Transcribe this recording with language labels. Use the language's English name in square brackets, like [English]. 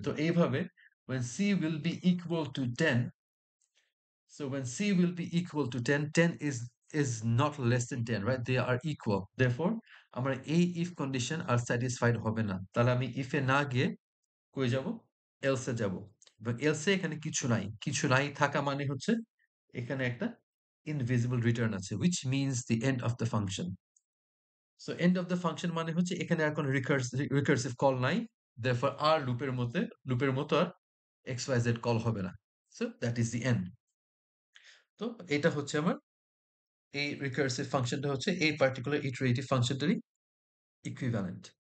[English] তো এইভাবে when C will be equal to 10, so when C will be equal to 10, 10 is not less than 10, right, they are equal. [Bangla] Therefore আমার এই if condition আর satisfied হবে না, তাহলে আমি ইফে না গিয়ে কই যাব, এলসে যাব। এবং এলসে এখানে কিছু নাই, কিছু নাই থাকা মানে হচ্ছে এখানে একটা [English] invisible return আছে, which means the end of the function. So end of the function [Bangla] মানে হচ্ছে এখানে আর কোন [English] recursive call নাই, therefore [Bangla] আর লুপের মতো আর [English] xyz call [Bangla] হবে না. [English] So that is the end. [Bangla] তো এটা হচ্ছে আমার এই recursive functionটা হচ্ছে এই particular iterative functionটারই equivalent.